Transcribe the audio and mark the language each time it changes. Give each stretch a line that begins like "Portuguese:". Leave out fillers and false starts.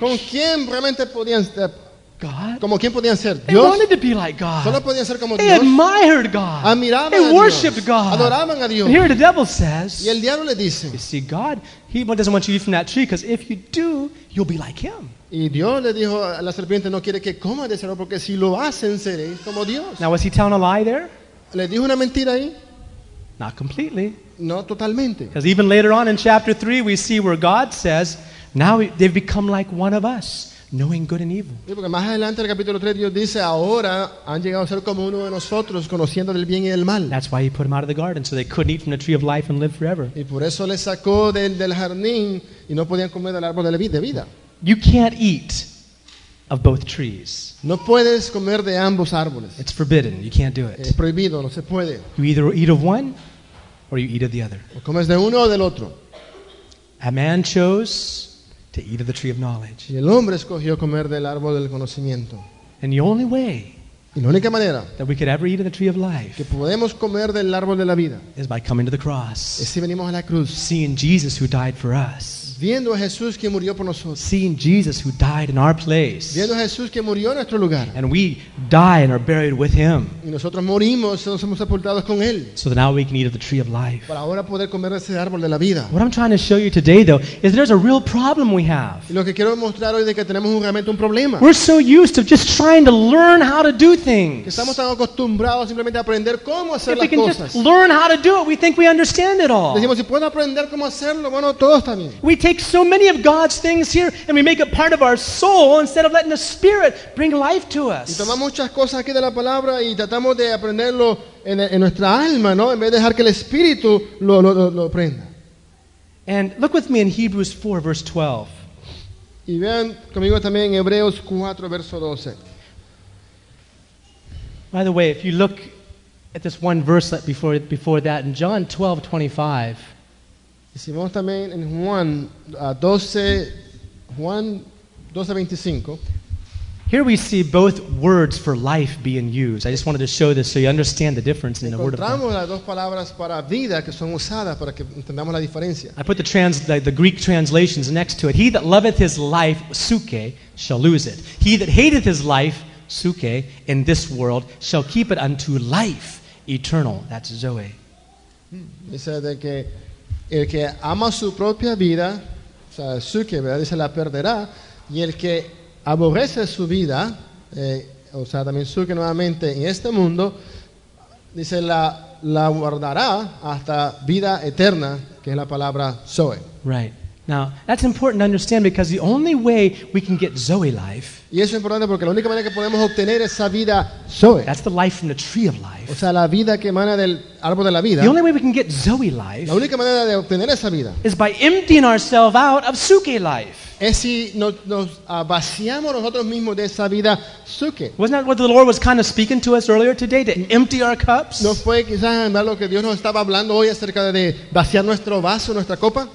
Spanish: ¿Con quién realmente podían ser?
English: God.
Spanish: ¿Cómo quién podían ser?
English: They
Spanish: Dios.
English: Wanted to be like God.
Spanish: Solo podían ser como
English: they
Spanish: Dios.
English: Admired God.
Spanish: Admiraban
English: they worshipped God.
Spanish: Adoraban a Dios.
English: And here the devil says,
Spanish: y el diablo le dice,
English: you see, God, he doesn't want you to eat from that tree because if you do, you'll be like him.
Spanish: Y Dios le dijo a la serpiente, no quiere que coma de ese árbol porque si lo hacen, seréis como Dios.
English: Now, was he telling a lie there?
Spanish: ¿Le dijo una mentira ahí?
English: Not completely.
Spanish: No totalmente.
English: Because even later on in chapter 3, we see where God says, now they've become like one of us. knowing good and evil.
Spanish: Sí, porque más adelante en el capítulo 3 Dios dice, ahora han llegado a ser como uno de nosotros, conociendo del bien y del mal.
English: That's why he put them out of the garden, so they couldn't eat from the tree of life and live forever.
Spanish: Y por eso les sacó del jardín y no podían comer del árbol de vida.
English: You can't eat of both trees.
Spanish: No puedes comer de ambos árboles.
English: It's forbidden. You can't do it.
Spanish: Es prohibido, no se puede.
English: You either eat of one or you eat of the other.
Spanish: O comes de uno o del otro.
English: A man chose to eat of the tree of knowledge.
Spanish: Y el hombre escogió comer del árbol del conocimiento.
English: And the only way,
Spanish: y la única manera,
English: that we could ever eat of the tree of life,
Spanish: que podemos comer del árbol de la vida,
English: is by coming to the cross.
Spanish: Es si venimos a la cruz.
English: Seeing Jesus who died for us.
Spanish: Viendo a Jesús que murió por nosotros.
English: Seeing Jesus who died in our place.
Spanish: Viendo a Jesús que murió en nuestro lugar.
English: And we die and are buried with him.
Spanish: Y nosotros morimos y nos somos sepultados con él.
English: So that now we can eat of the tree of life.
Spanish: Para ahora poder comer ese árbol de la vida.
English: What I'm trying to show you today though is there's a real problem we have.
Spanish: Y lo que quiero mostrar hoy es que tenemos realmente un problema.
English: We're so used to just trying to learn how to do things.
Spanish: Que estamos tan acostumbrados simplemente a aprender cómo hacer las
English: If we can just learn how to do it, we think we understand it all.
Spanish: Decimos, si puedo aprender cómo hacerlo, bueno, todos también.
English: We take so many of God's things here and we make it part of our soul instead of letting the Spirit bring life to us.
Spanish: Y tomamos muchas cosas aquí de la palabra y tratamos de aprenderlo en nuestra alma, ¿no? En vez de dejar que el Espíritu lo aprenda.
English: And look with me in Hebrews 4, verse 12.
Spanish: Y vean conmigo también en Hebreos 4, verso 12.
English: By the way, if you look at this one verse before that in John 12, 25,
Spanish: si vemos también en Juan 12:25,
English: here we see both words for life being used. I just wanted to show this so you understand the difference in the word of God.
Spanish: Encontramos las dos palabras para vida que son usadas para que entendamos la diferencia.
English: I put the Greek translations next to it. He that loveth his life, psuche, shall lose it. He that hateth his life, psuche, in this world, shall keep it unto life eternal. That's Zoe.
Spanish: Dice de que el que ama su propia vida, o sea, psuche, ¿verdad? Dice, la perderá. Y el que aborrece su vida, o sea, también psuche nuevamente en este mundo, dice, la guardará hasta vida eterna, que es la palabra Zoe.
English: Right. Now, that's important to understand because the only way we can get Zoe life,
Spanish: y eso es importante porque la única manera que podemos obtener esa vida Zoe,
English: that's the life from the tree of life,
Spanish: o sea, la vida que emana del árbol de la vida,
English: the only way we can get Zoe life,
Spanish: la única manera de obtener esa vida,
English: is by emptying ourselves out of psuche life.
Spanish: Es si nos vaciamos nosotros mismos de esa vida psuche.
English: Wasn't that what the Lord was kind of speaking to us earlier today, to empty our cups?
Spanish: ¿No fue quizás lo que Dios nos estaba hablando hoy acerca de vaciar nuestro vaso, nuestra copa?